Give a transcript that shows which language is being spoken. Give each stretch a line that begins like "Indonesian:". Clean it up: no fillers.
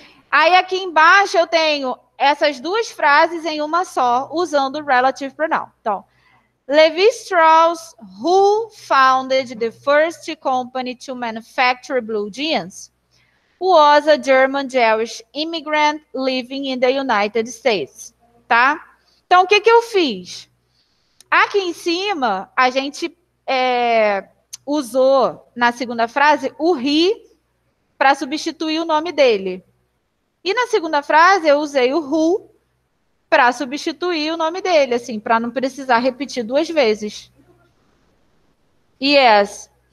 Portuguese: Aí aqui embaixo eu tenho essas duas frases em uma só, usando o relative pronoun.
English: Então, Levi Strauss, who founded the first company to manufacture blue jeans, was a German Jewish immigrant living in the United States.
Portuguese: Tá? Então, o que, que eu fiz? Aqui em cima, a gente usou na segunda frase o he para substituir o nome dele. E na segunda frase, eu usei o who para substituir o nome dele, assim, para não precisar repetir duas vezes. Yes.